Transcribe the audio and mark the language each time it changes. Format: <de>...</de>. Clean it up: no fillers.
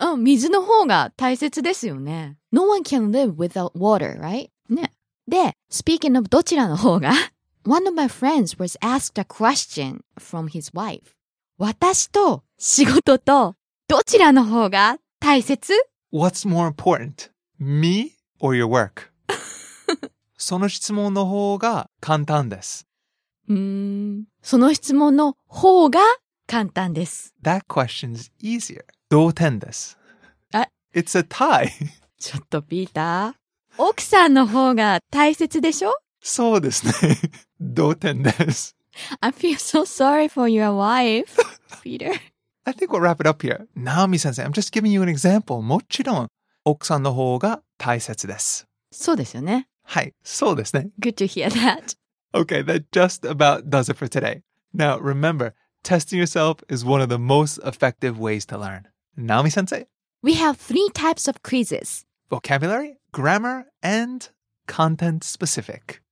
<ja>水の方が大切ですよね。</ja> <en>No one can live without water, right?</en> <ja>ね。</ja> <en>で、speaking of</en> <ja>どちらの方が</ja> <en>One of my friends was asked a question from his wife.</en> <ja>私と仕事とどちらの方が大切?</ja> <en>What's more important? Me or your work?</en> <ja>その質問の方が簡単です。その質問の方が簡単です。</ja> <en>That question's easier.</en> <ja>同点です。</ja> <en>It's a tie.</en> <ja>ちょっとピーター。奥さんの方が大切でしょ? そうですね。同点です。</ja> <en>I feel so sorry for your wife, Peter. I think we'll wrap it up here. Naomi 先生, I'm just giving you an example.</en> <ja>もちろん、奥さんの方が大切です。そうですよね。はい、そうですね。</ja> <en>Good to hear that. Okay, that just about does it for today. Now, remember, testing yourself is one of the most effective ways to learn.</en> <ja>Naomi 先生?</ja> <en>We have three types of quizzes. Vocabulary, grammar, and content specific.</en>